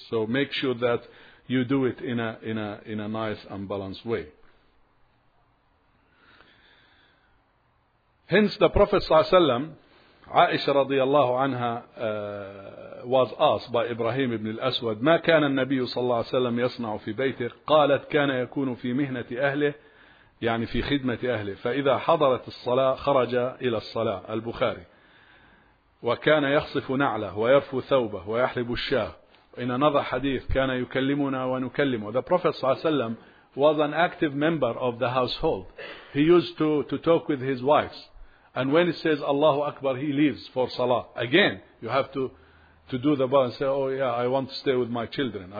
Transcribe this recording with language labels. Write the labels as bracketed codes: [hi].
[en] So make sure that you do it in a nice and balanced way. Hence the Prophet ﷺ, Aisha radiallahu anha was asked by Ibrahim ibn al-Aswad, [ar] ما كان النبي صلى الله عليه وسلم يصنع في بيته؟ قالت كان يكون في مهنة أهله, يعني في خدمة أهله, فإذا حضرت الصلاة خرج إلى الصلاة. البخاري. وكان يخصف نعله ويرفو ثوبه ويحلب الشاه. [en] In another hadith, [ar] كان يكلمنا ونكلمه. [en] The Prophet [ar] صلى الله عليه وسلم [en] was an active member of the household. He used to talk with his wives. And when he says Allahu Akbar, he leaves for Salah. Again, you have to do the bar and say, oh yeah, I want to stay with my children.